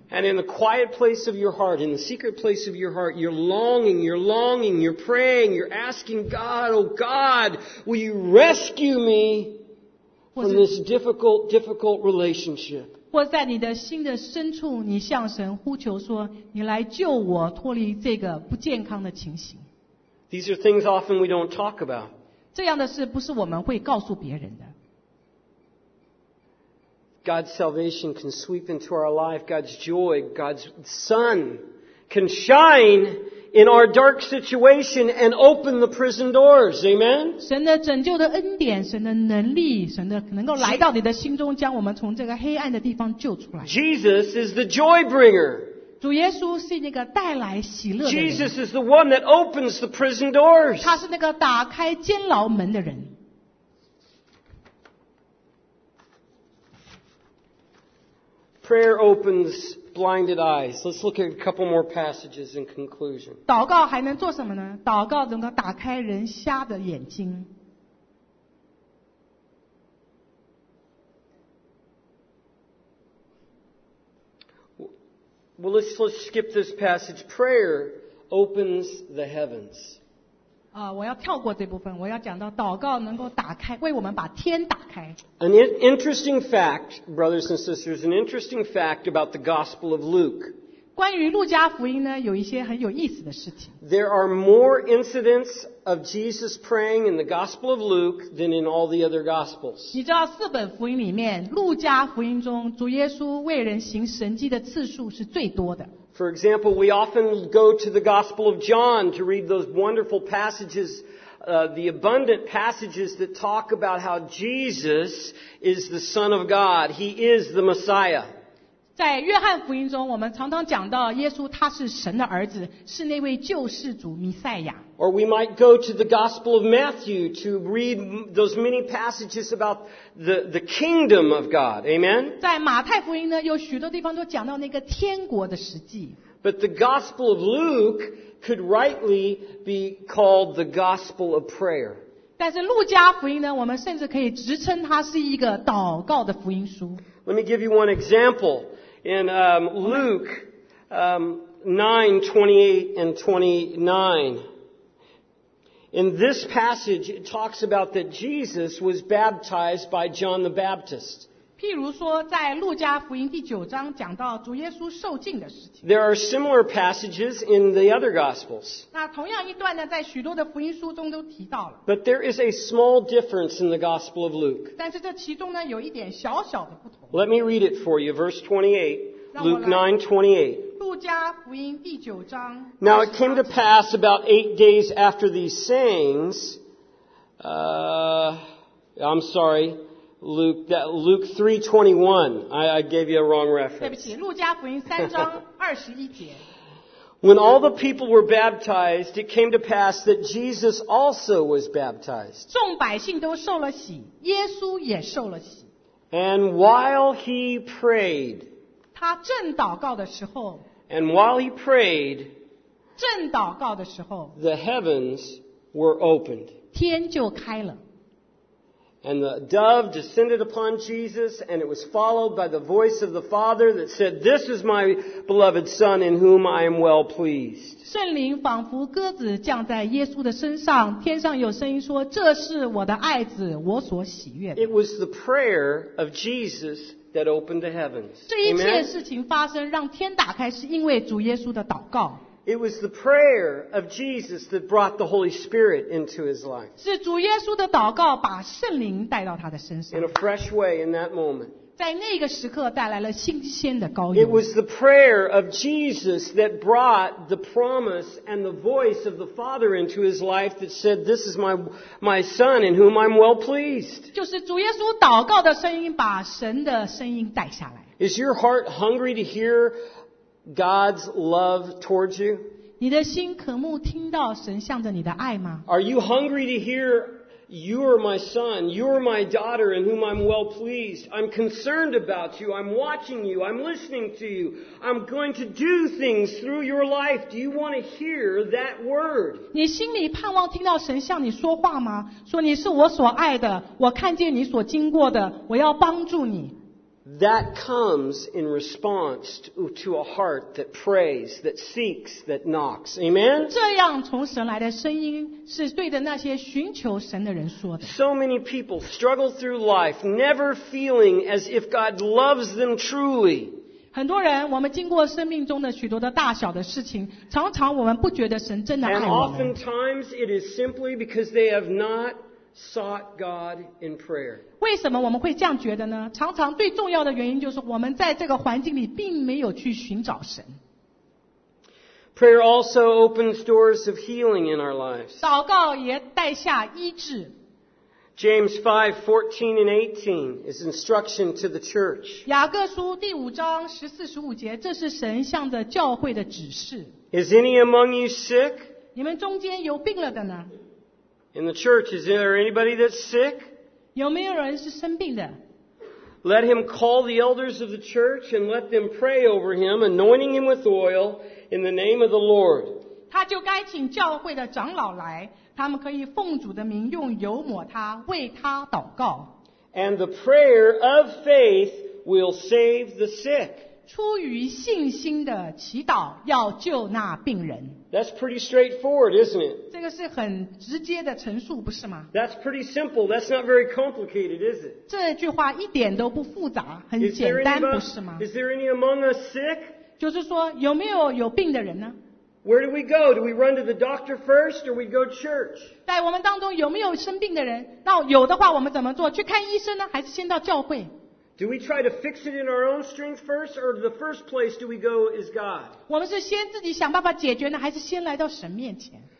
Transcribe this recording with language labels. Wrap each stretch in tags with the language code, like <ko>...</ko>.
<en>And in the quiet place of your heart, in the secret place of your heart, you're longing, you're praying, you're asking God, oh God, will you rescue me from this difficult relationship?</en> <zh>或在你的心的深处，你向神呼求说：“你来救我，脱离这个不健康的情形。”</zh> <en>These are things often we don't talk about.</en> <zh>这样的事不是我们会告诉别人的。</zh> <en>God's salvation can sweep into our life. God's joy, God's sun can shine in our dark situation and open the prison doors. Amen.</en> <zh>神的拯救的恩典，神的能力，神的能够来到你的心中，将我们从这个黑暗的地方救出来。</zh> <en>Jesus is the joy bringer.</en> <zh>主耶稣是那个带来喜乐的人。</zh> <en>Jesus is the one that opens the prison doors.</en> <zh>他是那个打开监牢门的人。</zh> <en>Prayer opens blinded eyes. Let's look at a couple more passages in conclusion.</en> <zh>祷告还能做什么呢？祷告能够打开人瞎的眼睛。</zh> <en>Well, let's skip this passage. Prayer opens the heavens.</en> <zh>我要跳过这部分，我要讲到祷告能够打开，为我们把天打开。</zh> <en>An interesting fact, brothers and sisters, an interesting fact about the Gospel of Luke.</en> <zh>关于路加福音呢，有一些很有意思的事情。</zh> <en>There are more incidents of Jesus praying in the Gospel of Luke than in all the other Gospels.</en> <zh>你知道四本福音里面，路加福音中主耶稣为人行神迹的次数是最多的。</zh> <en>For example, we often go to the Gospel of John to read those wonderful passages, the abundant passages that talk about how Jesus is the Son of God. He is the Messiah.</en> <zh>在约翰福音中，我们常常讲到耶稣他是神的儿子，是那位救世主弥赛亚。</zh> <en>Or we might go to the Gospel of Matthew to read those many passages about the kingdom of God. Amen?</en> <zh>在马太福音呢，有许多地方都讲到那个天国的实际。</zh> <en>But the Gospel of Luke could rightly be called the Gospel of Prayer.</en> <zh>但是路加福音呢，我们甚至可以直称它是一个祷告的福音书。</zh> <en>Let me give you one example. In Luke 9:28-29,In this passage, it talks about that Jesus was baptized by John the Baptist.</en> <zh>譬如说在路加福音第九章讲到主耶稣受浸的事情。</zh> <en>There are similar passages in the other Gospels.</en> <zh>那同样一段呢，在许多的福音书中都提到了。</zh> <en>But there is a small difference in the Gospel of Luke.</en> <zh>但是这其中呢，有一点小小的不同。</zh> <en>Let me read it for you, verse 28. Luke 9:28.</en> <zh>路加福音第九章。</zh> <en>Now it came to pass about 8 days after these sayings. I'm sorry, Luke. That Luke 3:21. I gave you a wrong reference.</en> <zh>对不起，路加福音三章二十一节。</zh> <en>When all the people were baptized, it came to pass that Jesus also was baptized.</en> <zh>众百姓都受了洗，耶稣也受了洗。</zh> <en>And while he prayed.</en> <zh>他正祷告的时候</zh> <en>And while he prayed,</en> <zh>正祷告的时候</zh> <en>the heavens were opened.</en> <zh>天就开了。</zh> <en>And the dove descended upon Jesus, and it was followed by the voice of the Father that said, This is my beloved Son in whom I am well pleased.</en> <zh>圣灵仿佛鸽子降在耶稣的身上，天上有声音说，这是我的爱子，我所喜悦的。</zh> <en>It was the prayer of Jesus that opened the heavens.</en> <zh>这一切事情发生，让天打开，是因为主耶稣的祷告。</zh> <en>It was the prayer of Jesus that brought the Holy Spirit into his life.</en> <zh>是主耶稣的祷告把圣灵带到他的身上。</zh> <en>In a fresh way in that moment.</en> <zh>在那个时刻带来了新鲜的膏油。</zh> <en>It was the prayer of Jesus that brought the promise and the voice of the Father into his life that said, This is my son in whom I'm well pleased.</en> <zh>就是主耶稣祷告的声音把神的声音带下来。</zh> <en>Is your heart hungry to hear God's love towards you?</en> <zh>你的心渴慕听到神向着你的爱吗?</zh> <en>Are you hungry to hear You are my son. You are my daughter in whom I'm well pleased. I'm concerned about you. I'm watching you. I'm listening to you. I'm going to do things through your life. Do you want to hear that word?</en> <zh>你心里盼望听到神向你说话吗？说你是我所爱的，我看见你所经过的，我要帮助你。</zh> <en>That comes in response to a heart that prays, that seeks, that knocks. Amen?</en> <zh>这样从神来的声音是对着那些寻求神的人说的。</zh> <en>So many people struggle through life, never feeling as if God loves them truly.</en> <zh>很多人，我们经过生命中的许多的大小的事情，常常我们不觉得神真的爱我们。</zh> <en>And oftentimes it is simply because they have not sought God in prayer.</en> <zh>为什么我们会这样觉得呢？常常最重要的原因就是我们在这个环境里并没有去寻找神。</zh> <en>Prayer also opens doors of healing in our lives.</en> <zh>祷告也带下医治。</zh> <en>James 5:14 and 18 is instruction to the church.</en> <zh>雅各书第五章十四十五节，这是神向着教会的指示。</zh> <en>Is any among you sick?</en> <zh>你们中间有病了的呢？</zh> <en>In the church, is there anybody that's sick?</en> <zh>有没有人是生病的?</zh> <en>Let him call the elders of the church and let them pray over him, anointing him with oil in the name of the Lord.</en> <zh>他就该请教会的长老来，他们可以奉主的名用油抹他，为他祷告。</zh> <en>And the prayer of faith will save the sick.</en> <zh>出于信心的祈祷要救那病人。</zh> <en>That's pretty straightforward, isn't it?</en> <zh>这个是很直接的陈述，不是吗？</zh> <en>That's pretty simple. That's not very complicated, is it?</en> <zh>这句话一点都不复杂，很简单，不是吗？</zh> <en>Is there any among us sick?</en> <zh>就是说，有没有有病的人呢？</zh> <en>Where do we go? Do we run to the doctor first, or we go to church?</en> <zh>在我们当中有没有生病的人？那有的话，我们怎么做？去看医生呢？还是先到教会？</zh> <en>Do we try to fix it in our own strength first, or the first place do we go is God?</en> <zh>我们是先自己想办法解决呢，还是先来到神面前？</zh>